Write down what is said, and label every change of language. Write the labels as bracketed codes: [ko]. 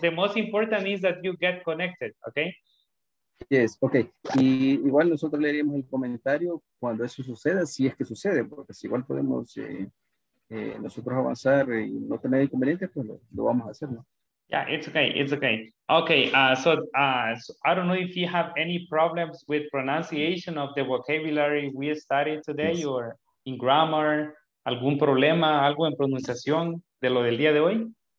[en] The most important is that you get connected, ok. Yes, okay. [es] Y igual nosotros leeríamos el comentario cuando eso suceda, si es que sucede, porque si igual podemos. Nosotros avanzar y no tener inconvenientes, pues lo vamos a hacer, ¿no? [en] Yeah, it's okay, it's okay. Okay, so I don't know if you have any problems with pronunciation of the vocabulary we studied today yes. or in grammar, [es] algún problema, algo en pronunciación de lo del día de hoy?